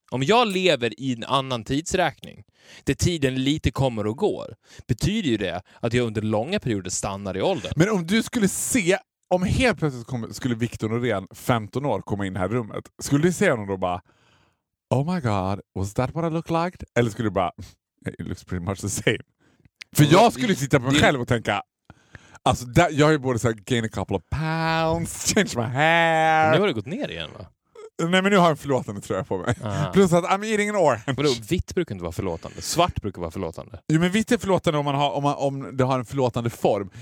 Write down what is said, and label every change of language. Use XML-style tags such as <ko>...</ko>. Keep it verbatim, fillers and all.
<sv>Om jag lever i en annan tidsräkning, där tiden lite kommer och går, betyder ju det att jag under långa perioder stannar i åldern. Men om du skulle se, om helt plötsligt kom, skulle Victor Norén, femton år, komma in här i rummet, skulle du se honom då bara,</sv> <en>oh my god, was that what I look like?</en> <sv>Eller skulle du bara,</sv> <en>it looks pretty much the same.</en> <sv>För jag skulle sitta på mig själv och tänka, alltså där, jag har ju både såhär,</sv> <en>gain a couple of pounds, change my hair.</en> <sv>Men nu har det gått ner igen va? Nej men nu har jag en förlåtande tröja på mig.</sv> <en>Ah.</en> <sv>Plus att</sv> <en>I'm eating an orange.</en> <sv>Vadå, vitt brukar inte vara förlåtande. Svart brukar vara förlåtande. Jo men vitt är förlåtande om, man har, om, man, om det har en förlåtande form.</sv>